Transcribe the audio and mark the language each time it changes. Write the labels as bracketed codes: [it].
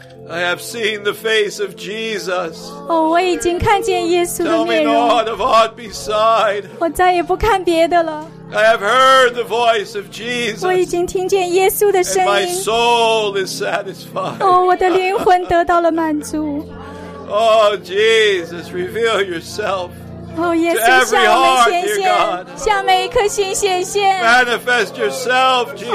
[en] I have seen the face of Jesus. [zh] Oh, 我已经看见耶稣的面容。 [en] Tell me not of aught beside. [zh] 我再也不看别的了。 [en] I have heard the voice of Jesus. [zh] 我已经听见耶稣的声音。 [en] And my soul is satisfied. [zh] 哦，我的灵魂得到了满足。 [en] Oh, Jesus, reveal yourself. [zh] 哦，耶稣向我们显现，向每一颗心显现。 [en] Manifest yourself, Jesus.